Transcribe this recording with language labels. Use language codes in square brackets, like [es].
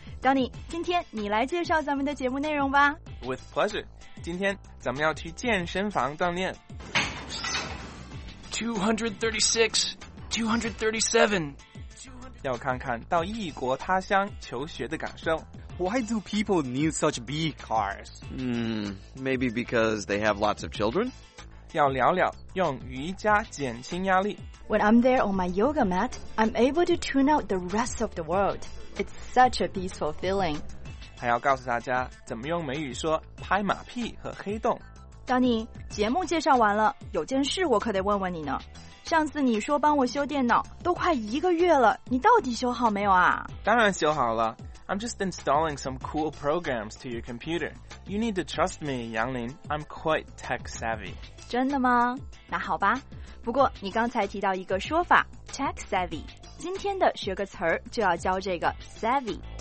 [zh] Danny， 今天你来介绍咱们的节目内容吧。 [en] With pleasure， [zh] 今天咱们要去健身房锻炼。 236 237，要看看到异国他乡求学的感受。 [en] Why do people need such big cars? Maybe because they have lots of children. [zh] 要聊聊用瑜伽减轻压力。 [en] When I'm there on my yoga mat, I'm able to tune out the rest of the world. It's such a peaceful feeling. [zh] 还要告诉大家怎么用美语说拍马屁和黑洞。 Danny， 节目介绍完了，有件事我可得问问你呢。上次你说帮我修电脑，都快一个月了，你到底修好没有啊？当然修好了。 [en] I'm just installing some cool programs to your computer. You need to trust me, Yang Lin. I'm quite tech savvy. [zh] 真的吗？那好吧。不过你刚才提到一个说法 tech savvy. 今天的学个词儿就要教这个 savvy.